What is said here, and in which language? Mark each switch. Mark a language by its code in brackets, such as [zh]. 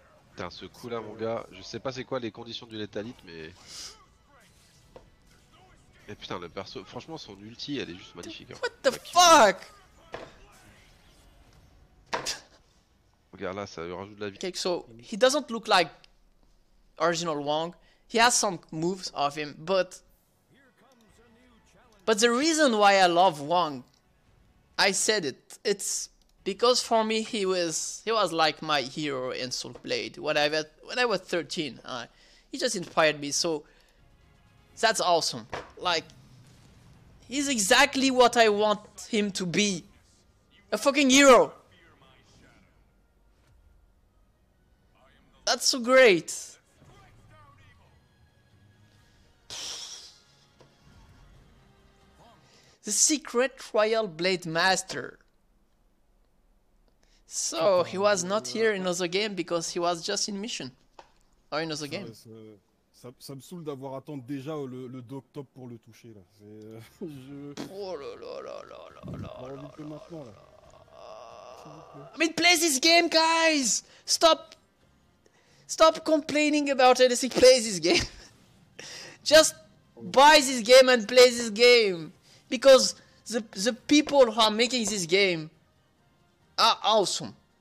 [fr] Putain, ce coup là, mon gars, je sais pas c'est quoi les conditions du Let's all it, mais. Mais putain, le perso, franchement, son ulti, elle est juste magnifique. [en] What the fuck? [fr] Regarde là, ça lui rajoute de la vie. [en] Okay, so, he doesn't look like original Hwang. He has some moves of him, but the reason why I love Hwang, I said it, it's because for me he was like my hero in Soul Blade when I was 13. He just inspired me, so that's awesome. Like, he's exactly what I want him to be, a fucking hero. That's so great. The Secret Royal Blade Master. So, he was not here in another game because he was just in mission. Or in another game. [fr] Ça me saoule d'avoir attendu déjà le Doctop pour le toucher là. C'est, je... Oh là là là là là là là là là là là là là. [en] I mean, play this game, guys! Stop complaining about anything, play this game. Just buy this game and play this game. Because the people who are making this game are awesome.